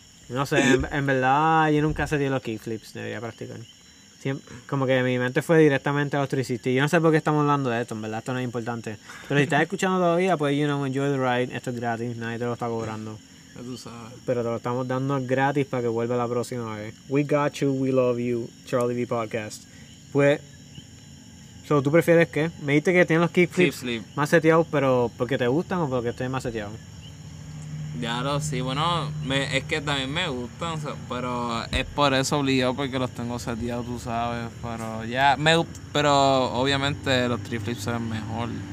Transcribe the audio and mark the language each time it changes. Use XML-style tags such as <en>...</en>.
<es>No sé, en verdad yo nunca hacía los kickflips, debería practicar. Siempre, como que mi mente fue directamente a los 360. Yo no sé por qué estamos hablando de esto, en verdad, esto no es importante. Pero si estás escuchando todavía, pues,</es> <en>you know, enjoy the ride.</en> <es>Esto es gratis, nadie te lo está cobrando. Ya tú sabes. Pero te lo estamos dando gratis para que vuelva la próxima vez.</es> <en>We got you, we love you, Charlie V Podcast.</en> <es>Pues, so, ¿tú prefieres qué? Me dijiste que tienes los kickflips más seteados, pero ¿porque te gustan o porque estén más seteados? Claro, sí, bueno, es que también me gustan, pero es por eso obligado, porque los tengo seteados, tú sabes, pero ya, pero obviamente los triflips son mejor.</es>